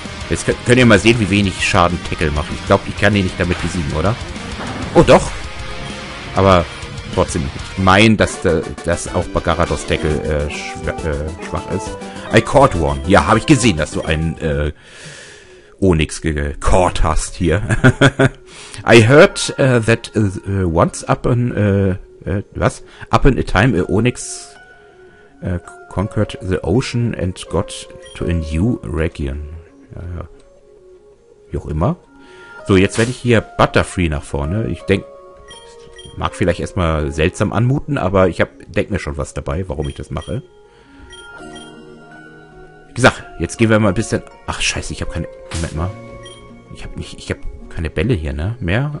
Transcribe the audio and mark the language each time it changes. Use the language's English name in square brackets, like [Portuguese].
[German] Jetzt könnt ihr mal sehen, wie wenig Schaden Tackle macht. Ich glaube, ich kann ihn nicht damit besiegen, oder? Oh, doch. Aber trotzdem, ich meine, dass auch Bagarados Tackle schwach ist. [English] I caught one. [German] Ja, habe ich gesehen, dass du einen Onix gecaught hast hier. [English] I heard that once upon a time Onix conquered the ocean and got to a new region. [German] Ja, ja. Wie auch immer. So, jetzt werde ich hier Butterfree nach vorne. Ich denke, mag vielleicht erstmal seltsam anmuten, aber ich denke mir schon was dabei, warum ich das mache. Wie gesagt, jetzt gehen wir mal ein bisschen... Ach, scheiße, ich habe keine... Moment mal. Ich habe keine Bälle hier, ne? Mehr?